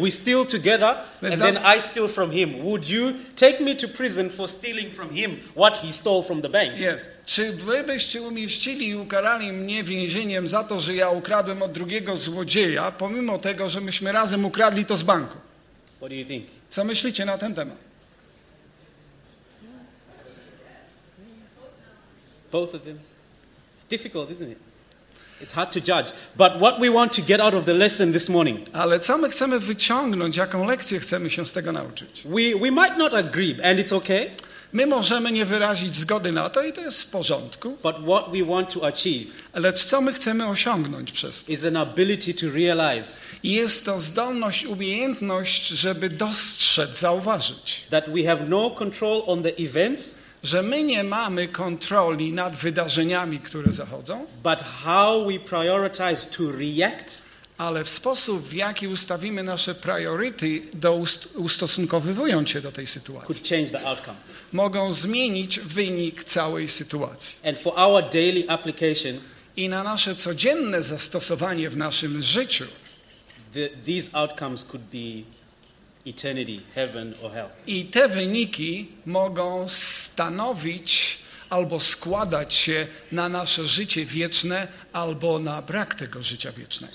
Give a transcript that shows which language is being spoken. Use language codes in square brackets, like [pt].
[en] We steal together and then I steal from him. Would you take me to prison for stealing from him what he stole from the bank? Yes. [pl] Czy wy byście umieścili i ukarali mnie więzieniem za to, że ja ukradłem od drugiego złodzieja, pomimo tego, że myśmy razem ukradli to z banku? [en] What do you think? [pl] Co myślicie na ten temat? [en] Both of them. It's difficult, isn't it? It's hard to judge. But what we want to get out of the lesson this morning. [pl] Ale co my chcemy wyciągnąć, jaką lekcję chcemy się z tego nauczyć? [en] We might not agree, and it's okay. [pl] My możemy nie wyrazić zgody na to i to jest w porządku. [en] But what we want to achieve. [pl] Lecz co my chcemy osiągnąć przez to? [en] Is an ability to realize. [pl] Jest to zdolność, umiejętność, żeby dostrzec, zauważyć. [en] That we have no control on the events. [pl] Że my nie mamy kontroli nad wydarzeniami, które zachodzą, [en] but how we prioritize to react, [pl] ale w sposób, w jaki ustawimy nasze priority do ustosunkowywując się do tej sytuacji, [en] could change the outcome. [pl] Mogą zmienić wynik całej sytuacji. [en] And for our daily application, [pl] i na nasze codzienne zastosowanie w naszym życiu, [en] these outcomes could be eternity, heaven or hell. [pl] I te wyniki mogą stanowić albo składać się na nasze życie wieczne, albo na brak tego życia wiecznego.